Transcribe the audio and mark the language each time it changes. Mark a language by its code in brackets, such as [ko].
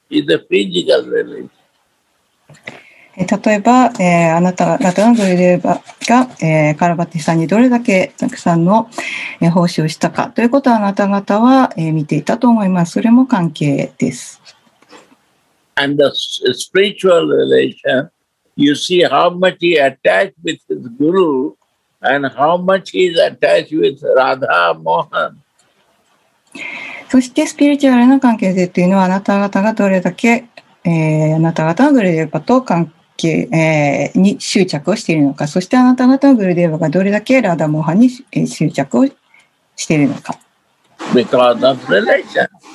[en] It's a physical relation. [ja] 例えば、あなた方のグルデーバが、カラバティさんにどれだけたくさんの、奉仕をしたかということをあなた方は、見ていたと思います。それも関係です。 [en] And the spiritual relation. You see how much he attached with his guru and how much he is attached with Radha Mohan. [ja] そしてスピリチュアルな関係性というのはあなた方がどれだけ、あなた方のグルデーバと関係、に執着をしているのか、そしてあなた方のグルデーバがどれだけラダモハンに、執着をしているのか。 [en] Because of relation.